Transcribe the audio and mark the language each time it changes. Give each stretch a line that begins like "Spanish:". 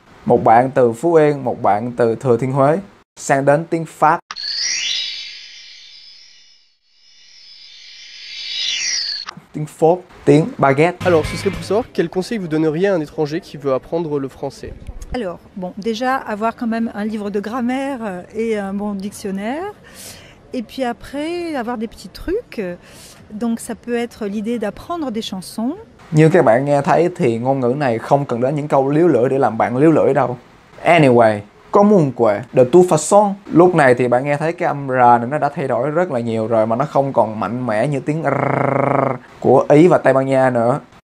Vietnamese: Một bạn từ Phú Yên, một bạn từ Thừa Thiên Huế. Sang đến tiếng Pháp. Tiếng Pháp, tiếng Baguette.
French: Alors, ce serait pour savoir quel conseil vous donneriez à un étranger qui veut apprendre le français? Alors, bon, déjà, avoir quand même un livre de grammaire et un bon dictionnaire. Et puis après, avoir des petits trucs. Donc, ça peut être l'idée d'apprendre des chansons.
Vietnamese: Như các bạn nghe thấy thì ngôn ngữ này không cần đến những câu líu lưỡi để làm bạn líu lưỡi đâu. Anyway, comunque,
French: de toute façon.
Vietnamese: Lúc này thì bạn nghe thấy cái âm R này nó đã thay đổi rất là nhiều rồi mà nó không còn mạnh mẽ như tiếng R của Ý và Tây Ban Nha nữa.